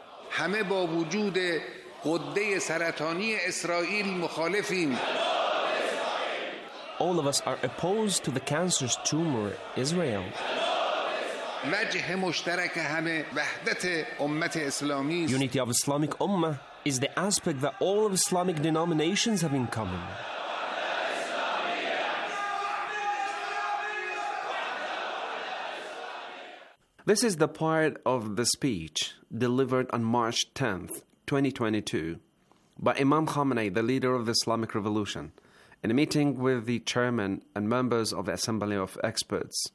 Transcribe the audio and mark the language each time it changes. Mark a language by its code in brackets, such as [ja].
[fa] همه با وجود قده سرطانی اسرائیل مخالفیم. [en] All of us are opposed to the cancer's tumor, Israel. [fa] وجه مشترک همه وحدت امت اسلامی. [en] Unity of Islamic Ummah is the aspect that all of Islamic denominations have in common. This is the part of the speech delivered on March 10th, 2022 by Imam Khamenei, the leader of the Islamic Revolution, in a meeting with the chairman and members of the Assembly of Experts.